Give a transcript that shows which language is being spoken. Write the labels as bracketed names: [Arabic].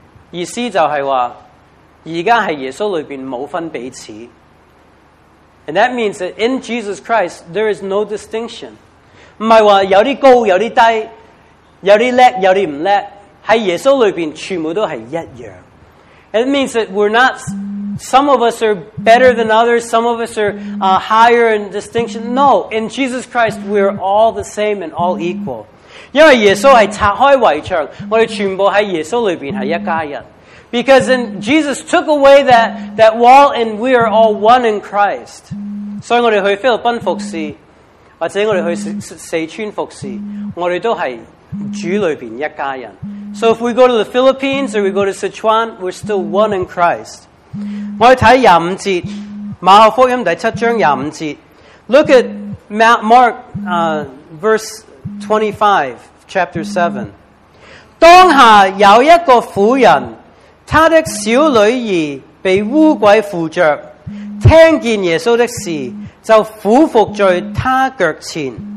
[Chinese] 意思就是说，现在耶稣里面没有分彼此。 [English] And that means that in Jesus Christ, there is no distinction. [Chinese] 不是说有些高有些低，有些叻有些不叻，在耶稣里面全部都是一样。 [English] It means that we're not, some of us are better than others, some of us are higher in distinction. No, in Jesus Christ, we're all the same and all equal. [Chinese] 因为耶稣是拆开围墙，我们全部在耶稣里面是一家人。 [English] Because in Jesus took away that wall and we are all one in Christ. [Chinese] 所以我们去菲律宾服侍，或者我们去四川服侍，我们都是主里面一家人。 [English] So if we go to the Philippines or we go to Sichuan, we're still one in Christ. [Chinese] 我们看25节，马可福音第七章25节。 [English] Look at Mark verse 25, chapter 7. [Chinese] 当下有一个妇人，她的小女儿被污鬼附着，听见耶稣的事，就俯伏在他脚前。